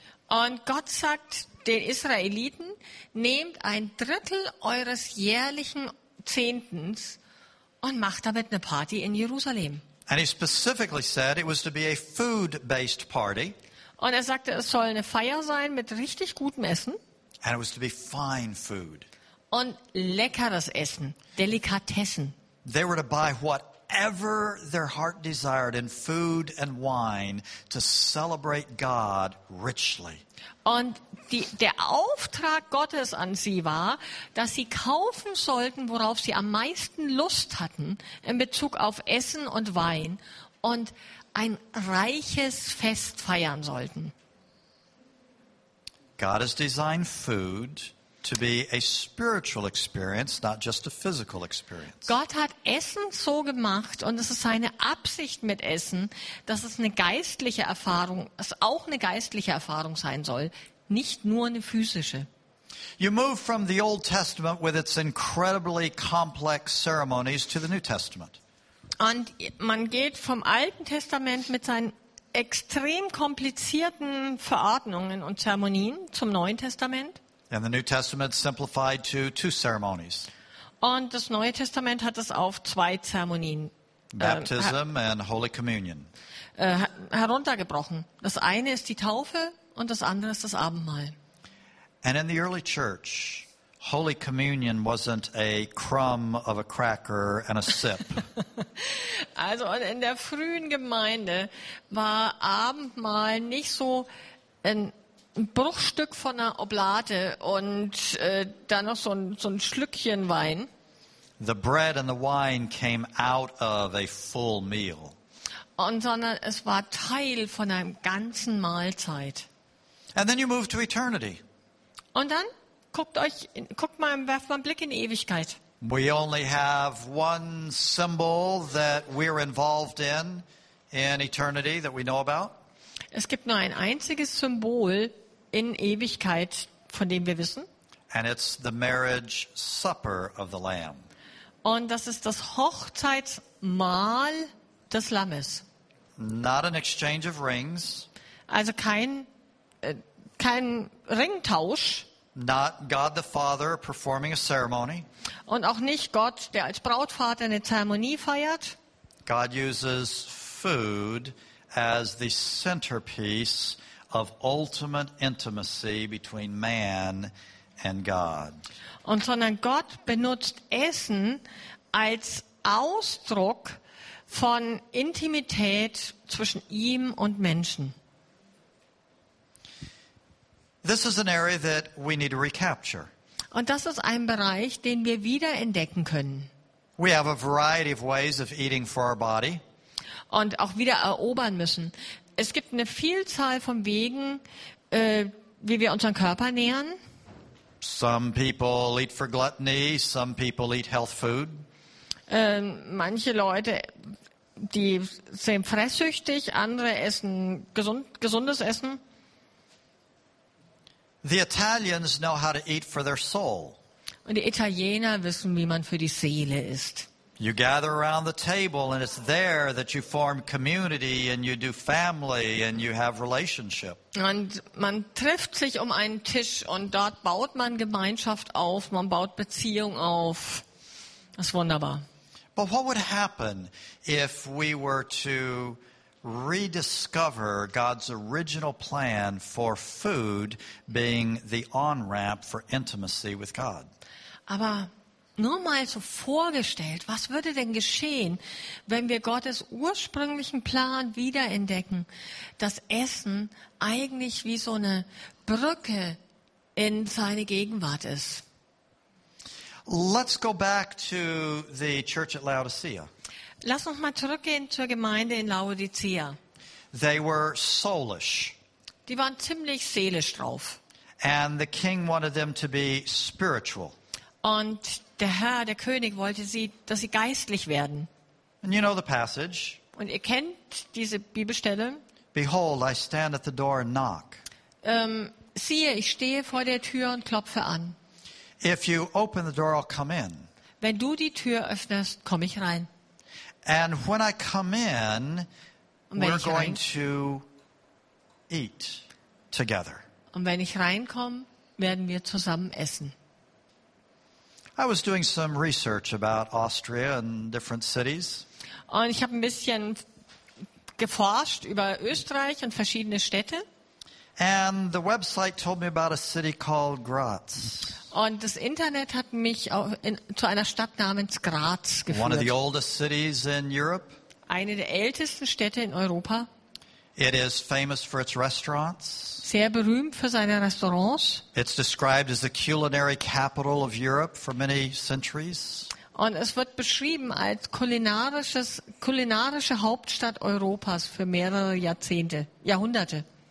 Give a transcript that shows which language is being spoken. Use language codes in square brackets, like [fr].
[de] Und Gott sagt den Israeliten, nehmt ein Drittel eures jährlichen Zehntens und macht damit eine Party in Jerusalem. [en] And he specifically said it was to be a food-based party. [de] Und er sagte, es soll eine Feier sein mit richtig gutem Essen. [en] And it was to be fine food. [de] Und leckeres Essen, Delikatessen. [en] They were to buy whatever their heart desired in food and wine to celebrate God richly. [de] Und der Auftrag Gottes an sie war, dass sie kaufen sollten, worauf sie am meisten Lust hatten in Bezug auf Essen und Wein, und ein reiches Fest feiern sollten. [en] God has designed food to be a spiritual experience, not just a physical experience. [de] Gott hat Essen so gemacht, und es ist seine Absicht mit Essen, dass es eine geistliche Erfahrung, es auch eine geistliche Erfahrung sein soll, nicht nur eine physische. [en] You move from the Old Testament with its incredibly complex ceremonies to the New Testament. [de] Und man geht vom Alten Testament mit seinen extrem komplizierten Verordnungen und Zeremonien zum Neuen Testament. [en] And the New Testament simplified to two ceremonies. [de] Und das Neue Testament hat es auf zwei Zeremonien. [en] Baptism and Holy Communion. [de] Heruntergebrochen. Das eine ist die Taufe und das andere ist das Abendmahl. [en] And in the early church, Holy Communion wasn't a crumb of a cracker and a sip. [de] Also in der frühen Gemeinde war Abendmahl nicht so ein Bruchstück von einer Oblate und dann noch so ein Schlückchen Wein. [en] The bread and the wine came out of a full meal. [de] Und sondern es war Teil von einem ganzen Mahlzeit. [en] And then you move to eternity. [de] Und dann werft mal einen Blick in die Ewigkeit. [en] We only have one symbol that we're involved in eternity that we know about. [de] Es gibt nur ein einziges Symbol in Ewigkeit, von dem wir wissen. [en] And it's the marriage supper of the Lamb. [de] Und das ist das Hochzeitsmahl des Lammes. [en] Not an exchange of rings. [de] Also kein Ringtausch. [en] Not God the Father performing a ceremony. [de] Und auch nicht Gott, der als Brautvater eine Zeremonie feiert. [en] God uses food as the centerpiece of ultimate intimacy between man and God. [de] Und sondern Gott benutzt Essen als Ausdruck von Intimität zwischen ihm und Menschen. [en] This is an area that we need to recapture. [de] Und das ist ein Bereich, den wir wieder entdecken können. [en] We have a variety of ways of eating for our body. [de] Und auch wieder erobern müssen. Es gibt eine Vielzahl von Wegen, wie wir unseren Körper nähren. [en] Some people eat for gluttony, some people eat health food. [de] Manche Leute, die sind fresssüchtig, andere essen gesundes Essen. [en] The Italians know how to eat for their soul. [de] Und die Italiener wissen, wie man für die Seele isst. [en] You gather around the table and it's there that you form community and you do family and you have relationship. [de] Und man trifft sich um einen Tisch und dort baut man Gemeinschaft auf, man baut Beziehung auf. Das ist wunderbar. [en] But what would happen if we were to rediscover God's original plan for food being the on-ramp for intimacy with God. [de] Aber nur mal so vorgestellt, was würde denn geschehen, wenn wir Gottes ursprünglichen Plan wiederentdecken, dass Essen eigentlich wie so eine Brücke in seine Gegenwart ist? [en] Let's go back to the church at Laodicea. [de] Lass uns mal zurückgehen zur Gemeinde in Laodicea. [en] They were soulish. [de] Die waren ziemlich seelisch drauf. [en] And the king wanted them to be spiritual. [de] Und der Herr, der König, wollte sie, dass sie geistlich werden. [en] And you know the passage. [de] Und ihr kennt diese Bibelstelle. [en] Behold, I stand at the door and knock. [de] Siehe, ich stehe vor der Tür und klopfe an. [en] If you open the door, I'll come in. [de] Wenn du die Tür öffnest, komme ich rein. [en] And when I come in, we're going to eat together. [de] Und wenn ich reinkomme, werden wir zusammen essen. [en] I was doing some research about Austria and different cities. [de] Und ich habe ein bisschen geforscht über Österreich und verschiedene Städte. [en] And the website told me about a city called Graz. [de] Und das Internet hat mich zu einer Stadt namens Graz geführt. [en] One of the oldest cities in Europe. [de] Eine der ältesten Städte in Europa. [en] It is famous for its restaurants. [de] Sehr berühmt für seine Restaurants. [en] It's described as the culinary capital of Europe for many centuries. [de] Und es wird beschrieben als kulinarische Hauptstadt Europas für mehrere Jahrhunderte.